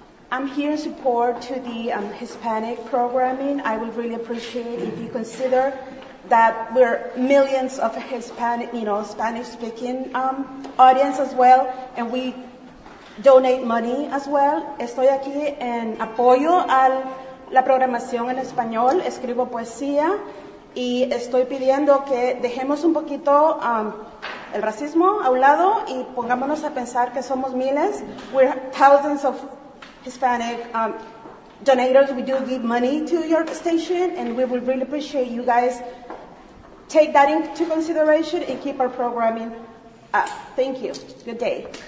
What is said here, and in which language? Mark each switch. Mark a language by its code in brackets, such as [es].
[en] I'm here in support to the Hispanic programming. I would really appreciate if you consider that we're millions of Hispanic, you know, Spanish-speaking audience as well, and we donate money as well. [es] Estoy aquí en apoyo a la programación en español. Escribo poesía y estoy pidiendo que dejemos un poquito el racismo a un lado y pongámonos a pensar que somos miles. [en] We're thousands of Hispanic donators. We do give money to your station, and we would really appreciate you guys take that into consideration and keep our programming up. Thank you. Good day.